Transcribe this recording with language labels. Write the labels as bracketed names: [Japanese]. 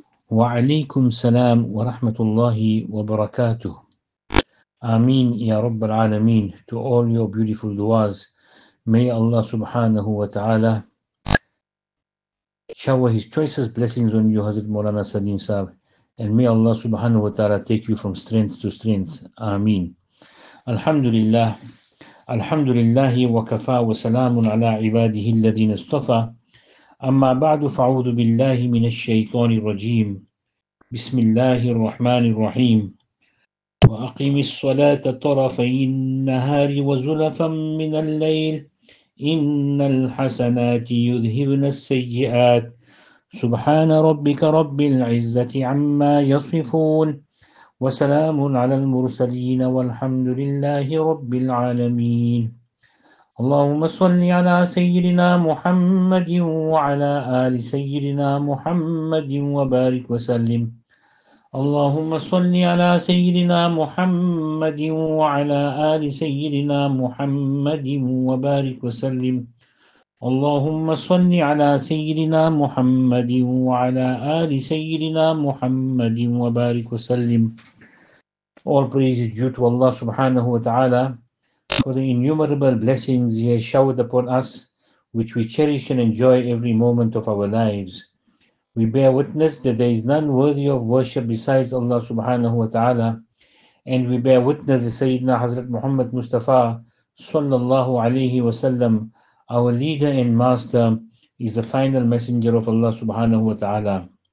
[Arabic] وعليكم السلام ورحمة الله وبركاته. آمين يا رب العالمين. [English] To all your beautiful du'as, may Allah سبحانه وتعالى shower His choicest blessings on you, Hazrat Maulana Salim Saab, and may Allah سبحانه وتعالى take you from strength to strength. [Arabic] آمين. الحمد لله. الحمد لله وكفى وسلام على عباده الذين اصطفى. أما بعد فأعوذ بالله من الشيطان الرجيم. بسم الله الرحمن الرحيم. وأقم الصلاة طرفي النهار وزلفا من الليل إن الحسنات يذهبن السيئات سبحان ربك رب العزة عما يصفون وسلام على المرسلين والحمد لله رب العالمين. اللهم صل على سيدنا محمد وعلى آل سيدنا محمد وبارك وسلم. اللهم صل على سيدنا محمد وعلى آل سيدنا محمد وبارك وسلم. اللهم صل على سيدنا محمد وعلى آل سيدنا محمد وبارك وسلم. [English] All praise is due to Allah subhanahu wa ta'ala for the innumerable blessings He has showered upon us, which we cherish and enjoy every moment of our lives. We bear witness that there is none worthy of worship besides Allah subhanahu wa ta'ala, and we bear witness that Sayyidina Hazrat Muhammad Mustafa sallallahu alayhi wa sallam, our leader and master, is the final messenger of Allah subhanahu wa ta'ala.